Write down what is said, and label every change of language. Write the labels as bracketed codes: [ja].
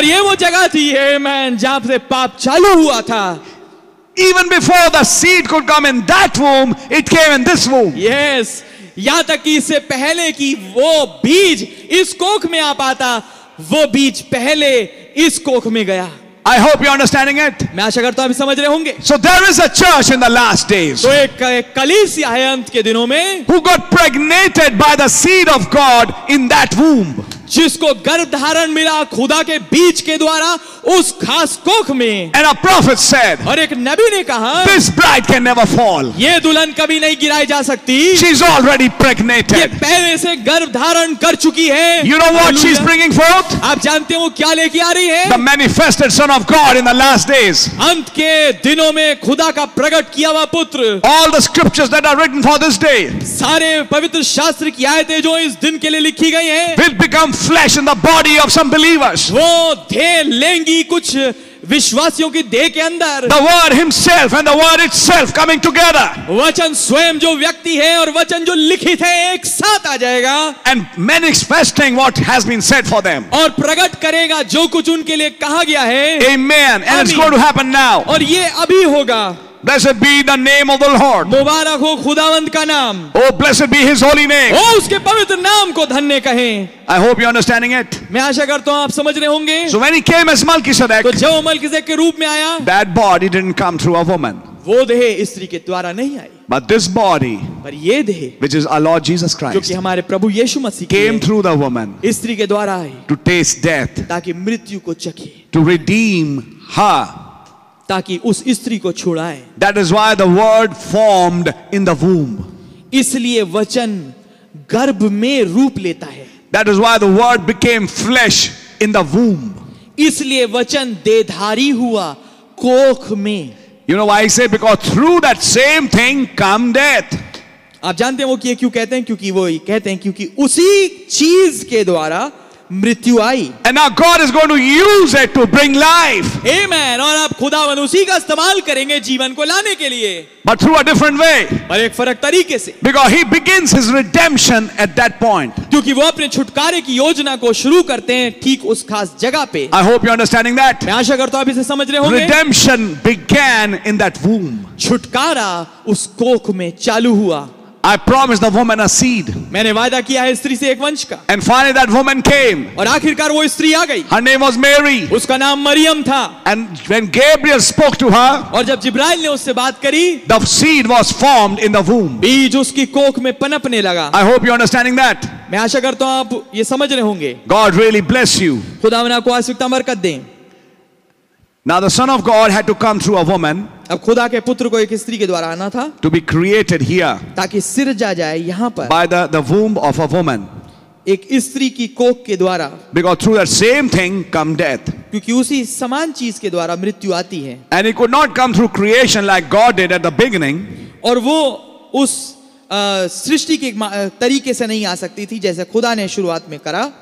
[hi] और ये वो जगह थी, amen, जहां से पाप चालू हुआ था. [en] Even before the seed could come in that womb, it came in this womb. Yes. [hi] यहां तक कि इससे पहले कि वो बीज इस कोख में आ पाता, वो बीज पहले इस कोख में गया. [en] I hope you're understanding it. [hi] मैं आशा करता हूँ अभी समझ रहे होंगे. [en] So there is a church in the last days. [hi] तो एक कलीसिया है अंत के दिनों में. [en] Who got pregnated by the seed of God in that womb. [hi] जिसको गर्भधारण मिला खुदा के बीज के द्वारा उस खास कोख में. [en] And a prophet said. [hi] और एक नबी ने कहा. [en] This bride can never fall. [hi] ये दुल्हन कभी नहीं गिराई जा सकती. [en] She's already pregnated. [hi] ये पहले से गर्भधारण कर चुकी है. [en] You know what she's bringing forth? [hi] आप जानते हो क्या लेके आ रही है? [en] The manifested son of God in the last days. [hi] अंत के दिनों में खुदा का प्रकट किया हुआ पुत्र. [en] All the scriptures that are written for this day. [hi] सारे पवित्र शास्त्र की आयतें जो इस दिन के लिए लिखी गई हैं. [en] Will become flesh in the body of some believers. [hi] वो दे लेंगी कुछ विश्वासियों की देह के अंदर. [en] The word himself and the word itself coming together. [hi] वचन स्वयं जो व्यक्ति है और वचन जो लिखित है एक साथ आ जाएगा. [en] And manifesting what has been said for them. [hi] और प्रकट करेगा जो कुछ उनके लिए कहा गया है. [en] Amen. And it's going to happen now. [hi] और ये अभी होगा. [en] Blessed be the name of the Lord. [hi] मुबारक हो खुदावंद का नाम. [en] Oh, blessed be His holy name. [hi] ओ उसके पवित्र नाम को धन्य कहें. [en] I hope you're understanding it. [hi] मैं आशा करता हूँ आप समझ रहे होंगे. [en] So when he came as Melchizedek, [hi] तो जब मलकीसेदेक के रूप में आया, [en] that body didn't come through a woman. [hi] वो देह स्त्री के द्वारा नहीं आई. [en] But this body, [hi] पर ये देह, [en] which is our Lord Jesus Christ, [hi] जो कि हमारे प्रभु यीशु मसीह, [en] came through the woman, [hi] स्त्री के द्वारा आई, [en] to taste death, [hi] ताकि मृत्यु को चखे, [en] to redeem her. [hi] ताकि उस स्त्री को छुड़ाए. [en] That is why the word formed in the womb. [hi] इसलिए वचन गर्भ में रूप लेता है. [en] That is why the word became flesh in the womb. [hi] इसलिए वचन देहधारी हुआ कोख में. [en] You know why I say? Because through that same thing come death. [hi] आप जानते हैं वो कि ये क्यों कहते हैं? क्योंकि वो ये कहते हैं क्योंकि उसी चीज के द्वारा मृत्यु आई. [en] And now God is going to use it to bring life. Amen. [hi] और आप खुदावन उसी का इस्तेमाल करेंगे जीवन को लाने के लिए. [en] But through a different way. [hi] पर एक फर्क तरीके से. [en] Because he begins his redemption at that point. [hi] क्योंकि वो अपने छुटकारे की योजना को शुरू करते हैं ठीक उस खास जगह पे. [en] I hope you're understanding that. [hi] मैं आशा करता हूँ आप इसे समझ रहे होंगे. [en] Redemption began in that womb. [hi] छुटकारा उस कोख में चालू हुआ. [en] I promised the woman a seed. [hi] मैंने वादा किया है स्त्री से एक वंश का. [en] And finally that woman came. [hi] और आखिरकार वो स्त्री आ गई. [en] Her name was Mary. [hi] उसका नाम मरियम था. [en] And when Gabriel spoke to her. [hi] और जब जिब्राइल ने उससे बात करी. [en] The seed was formed in the womb. [hi] बीज उसकी कोख में पनपने लगा. [en] I hope you're understanding that. [hi] मैं आशा करता हूँ आप ये समझ रहे होंगे. [en] God really bless you. [hi] खुदावन आपको आशीषता बरकत दे. [en] Now the Son of God had to come through a woman. [hi] अब खुदा के पुत्र को एक स्त्री के द्वारा आना था. [en] To be created here. [hi] ताकि सिर जा जाए यहाँ पर. [en] By the womb of a woman. [hi] एक स्त्री की कोख के द्वारा. [en] Because through that same thing come death. [hi] क्योंकि उसी समान चीज के द्वारा मृत्यु आती है. [en] And it could not come through creation like God did at the beginning. [hi] और वो उस सृष्टि के तरीके से नहीं आ सकती थी जैसे खुदा ने शुरुआत में करा.